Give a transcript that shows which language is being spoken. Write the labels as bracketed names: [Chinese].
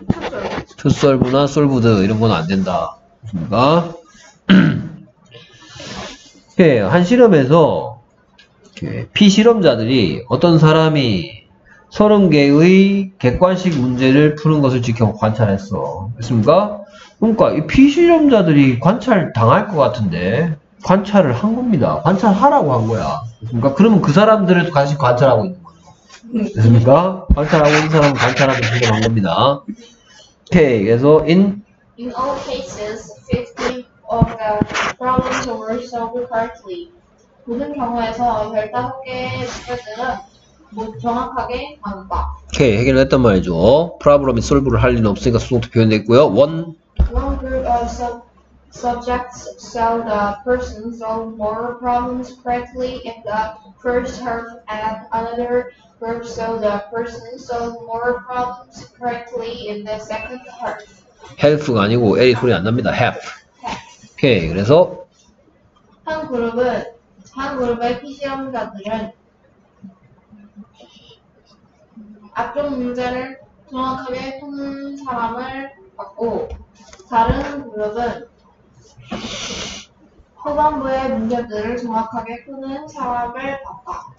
[Korean] 투 솔브나 솔브드 이런 건 안 된다. 그러니까 예, 한 실험에서 이렇게 피실험자들이 어떤 사람이 30개의 객관식 문제를 푸는 것을 지켜 관찰했어. 됐습니까? 그러니까 이 피실험자들이 관찰 당할 것 같은데 관찰을 한 겁니다. 관찰하라고 한 거야. 됐습니까? 그러면 그 사람들을 같이 관찰하고 있는 거야. 됐습니까? 관찰하고 있는 사람은 관찰하고 있는 한 겁니다. 오케이. 그래서 [English] In all cases, 50 of the problems were solved correctly. [Korean] 모든 경우에서 15개의 문제들은 정확하게 맞다. 오케이, 해결됐단 말이죠. 프로블럼이 솔브를 할 리는 없으니까 수동태 표현됐고요. [English] One group of subjects saw the person solve more problems correctly in the first half and another group saw the person solve more problems correctly in the second half. [Korean] Half가 아니고 L 소리 안 납니다. Half. [English] Half. [Korean] 오케이, 그래서 한 그룹의 피실험자들은 앞쪽 문제를 정확하게 푸는 사람을 봤고 다른 그룹은 후반부의 문제들을 정확하게 푸는 사람을 봤다.